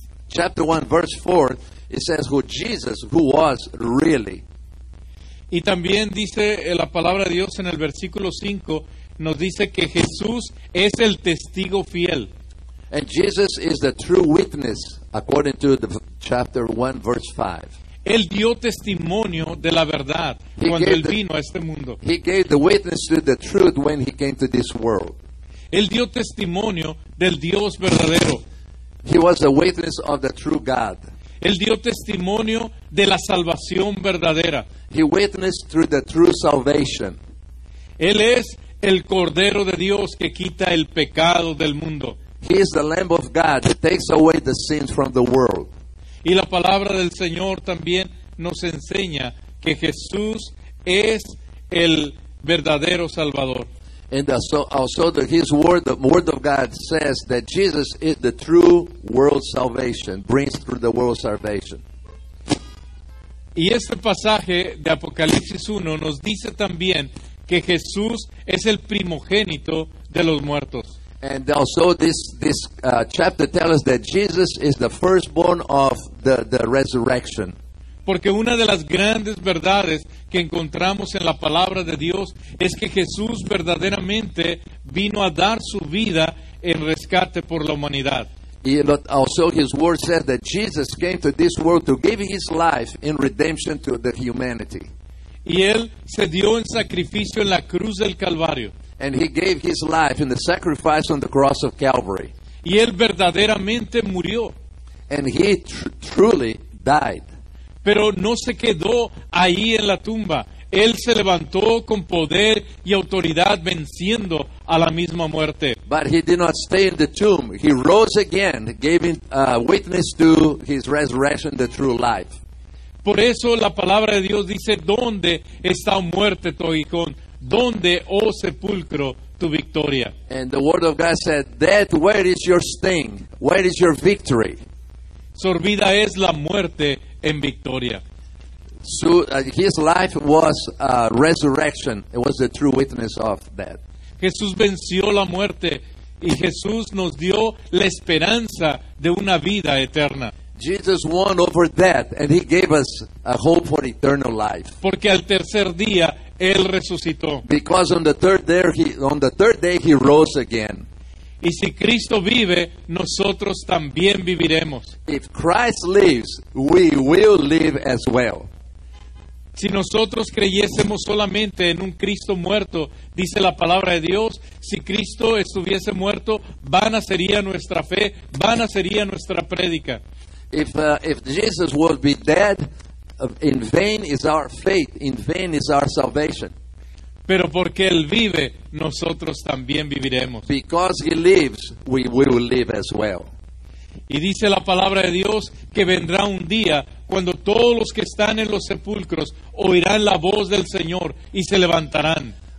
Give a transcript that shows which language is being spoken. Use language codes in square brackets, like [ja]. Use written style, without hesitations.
[en] Chapter 1, verse 4, it says who Jesus, who was really. [es] Y también dice la palabra de Dios en el versículo 5, nos dice que Jesús es el testigo fiel. [en] And Jesus is the true witness, according to the chapter 1, verse 5. [es] Él dio testimonio de la verdad cuando él vino a este mundo. [en] He gave the witness to the truth when he came to this world. [es] Él dio testimonio del Dios verdadero. [en] He was the witness of the true God. [es] Él dio testimonio de la salvación verdadera. [en] He witnessed through the true salvation. [es] Él es el Cordero de Dios que quita el pecado del mundo. [en] He is the Lamb of God that takes away the sins from the world. [es] Y la palabra del Señor también nos enseña que Jesús es el verdadero Salvador. [en] And also that His word, the word of God says that Jesus is the true world salvation, brings through the world salvation. [es] Y este pasaje de Apocalipsis 1 nos dice también que Jesús es el primogénito de los muertos. [en] And also this chapter tells us that Jesus is the firstborn of the resurrection. [es] Porque una de las grandes verdades que encontramos en la palabra de Dios es que Jesús verdaderamente vino a dar su vida en rescate por la humanidad. [en] But also his word says that Jesus came to this world to give his life in redemption to the humanity. [es] Y él se dio en sacrificio en la cruz del Calvario. [en] And he gave his life in the sacrifice on the cross of Calvary. [es] Y él verdaderamente murió. [en] And he truly died. [es] Pero no se quedó ahí en la tumba. Él se levantó con poder y autoridad venciendo a la misma muerte. [en] But he did not stay in the tomb. He rose again, giving witness to his resurrection, the true life. [es] Por eso la palabra de Dios dice, ¿dónde está muerte tu aguijón? ¿Dónde, oh sepulcro, tu victoria? [en] And the word of God said, death, where is your sting? Where is your victory? [es] Sorbida es la muerte en victoria. [en] So his life was a resurrection. It was the true witness of that. [es] Jesús venció la muerte y Jesús nos dio la esperanza de una vida eterna. [en] Jesus won over death and he gave us a hope for eternal life. [es] Porque al tercer día él resucitó. [en] Because on the third day he rose again. [es] Y si Cristo vive, nosotros también viviremos. [en] If Christ lives, we will live as well. [es] Si nosotros creyésemos solamente en un Cristo muerto, dice la palabra de Dios, si Cristo estuviese muerto, vana sería nuestra fe, vana sería nuestra prédica. [en] If Jesus would be dead, in vain is our faith, in vain is our salvation. [es] Pero porque él vive, nosotros también viviremos. [en] Because he lives, we will live as well. [es] Y dice la palabra de Dios que vendrá un día cuando todos los que están en los sepulcros oirán la voz del Señor y se levantarán.